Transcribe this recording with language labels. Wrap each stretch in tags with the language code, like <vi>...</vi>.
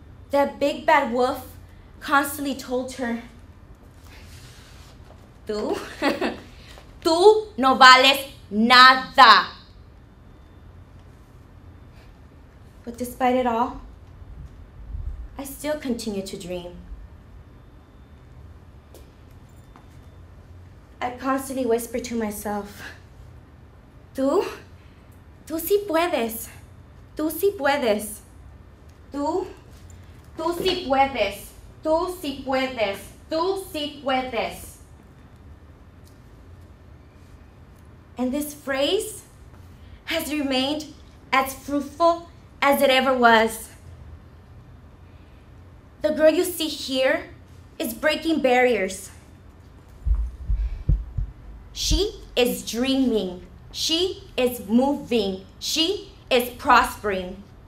<en>That big bad wolf constantly told her,</en> <es>tú, tú no vales nada.</es> <en>But despite it all, I still continued to dream. I constantly whispered to myself,</en> <es>tú, tú sí puedes, tú sí puedes, tú. Tú sí puedes, tú sí puedes, tú sí puedes.</es> <en>And this phrase has remained as fruitful as it ever was. The girl you see here is breaking barriers. She is dreaming, she is moving, she is prospering.</en>